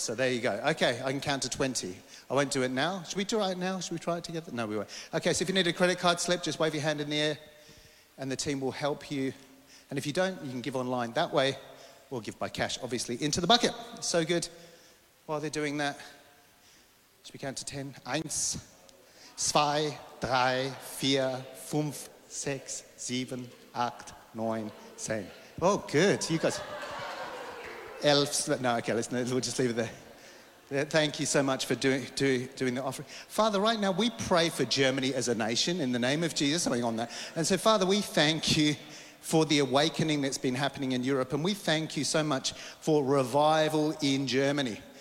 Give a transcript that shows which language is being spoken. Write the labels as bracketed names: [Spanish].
[English] So, there you go. Okay, I can count to 20. I won't do it now. Should we do it now? Should we try it together? No, we won't. Okay, so if you need a credit card slip, just wave your hand in the air and the team will help you. And if you don't, you can give online that way or give by cash, obviously, into the bucket. So good. While they're doing that, should we count to 10? [German] Eins, zwei, drei, vier, fünf, sechs, sieben, acht, neun, zehn. [English] Oh, good. You guys. Elves. No, okay, listen, we'll just leave it there. Thank you so much for doing the offering. Father, right now we pray for Germany as a nation in the name of Jesus. Something on that. And so, Father, we thank you for the awakening that's been happening in Europe. And we thank you so much for revival in Germany.